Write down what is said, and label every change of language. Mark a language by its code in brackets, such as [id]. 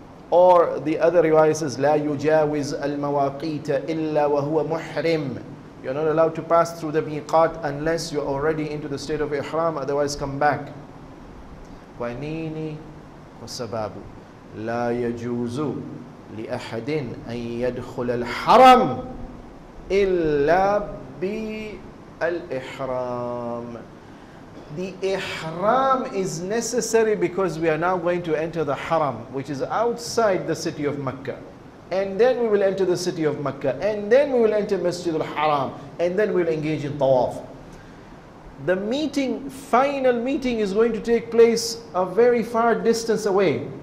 [en] Or the other riwayah says, [ar] لا يجاوز المواقيت إلا وهو محرم. [en] You're not allowed to pass through the miqat unless you're already into the state of ihram, otherwise come back. [sw] Kwa nini? Kwa sababu. [ar] لا يجوز لأحد أن يدخل الحرم إلا بالإحرام. [en] The ihram is necessary because we are now going to enter the haram, which is outside the city of Mecca. And then we will enter the city of Mecca. And then we will enter Masjid al-Haram. And then we will engage in tawaf. The meeting, final meeting, is going to take place a very far distance away.